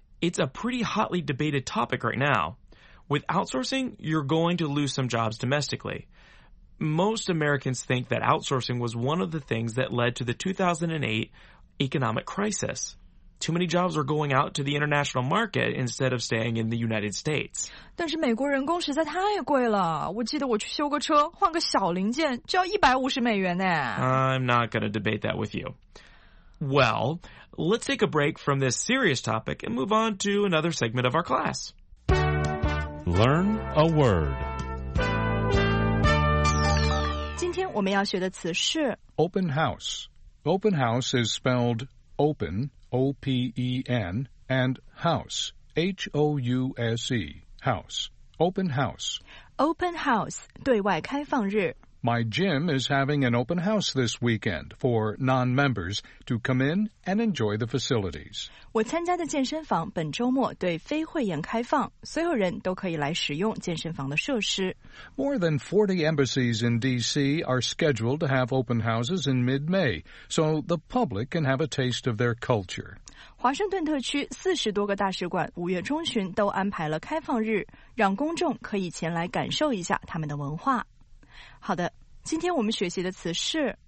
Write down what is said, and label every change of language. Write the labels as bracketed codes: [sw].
[en] It's a pretty hotly debated topic right now. With outsourcing, you're going to lose some jobs domestically. Most Americans think that outsourcing was one of the things that led to the 2008 economic crisis. Too many jobs were going out to the international market instead of staying in the United States. [zh] 但是美国人工实在太贵了。我记得我去修个车，换个小零件就要$150呢。 [en] I'm not going to debate that with you. Well, let's take a break from this serious topic and move on to another segment of our class. Learn a word. [zh] 今天我们要学的词是 [en] open house. Open house is spelled open, O-P-E-N, and house, H-O-U-S-E, house. Open house. Open house, [zh] 对外开放日。 [en] My gym is having an open house this weekend for non-members to come in and enjoy the facilities. [zh] 我参加的健身房本周末对非会员开放，所有人都可以来使用健身房的设施。 [en] More than 40 embassies in D.C. are scheduled to have open houses in mid-May, so the public can have a taste of their culture. [zh] 华盛顿特区40多个大使馆5月中旬都安排了开放日，让公众可以前来感受一下他们的文化。好的，今天我们学习的词是